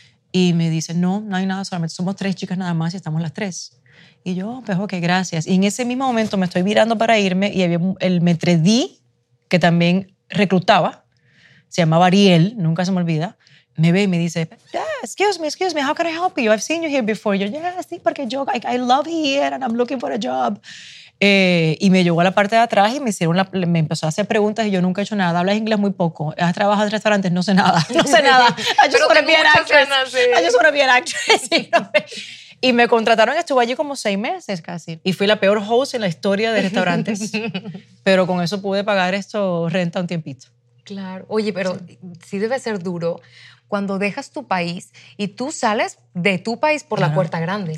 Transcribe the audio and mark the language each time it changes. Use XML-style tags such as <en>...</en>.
<es>Y me dice, no hay nada, solamente somos tres chicas nada más y estamos las tres. Y yo, pues ok, gracias. Y en ese mismo momento me estoy virando para irme y había el maître d' que también reclutaba, se llamaba Ariel, nunca se me olvida, me ve y me dice,</es> <en>yeah, excuse me, how can I help you? I've seen you here before.</en> <es>Yo, yeah, sí, porque yo,</es> <en>I love here and I'm looking for a job.</en> <es>Y me llegó a la parte de atrás y me empezó a hacer preguntas y yo nunca he hecho nada, hablas inglés muy poco, has trabajado en restaurantes, no sé nada.</es> <en>I just want to be an actress.</en> <es>Y me contrataron, estuve allí como 6 meses casi. Y fui la peor host en la historia de restaurantes. Pero con eso pude pagar esto renta un tiempito. Claro. Oye, pero sí debe ser duro cuando dejas tu país y tú sales de tu país por claro. La puerta grande,</es>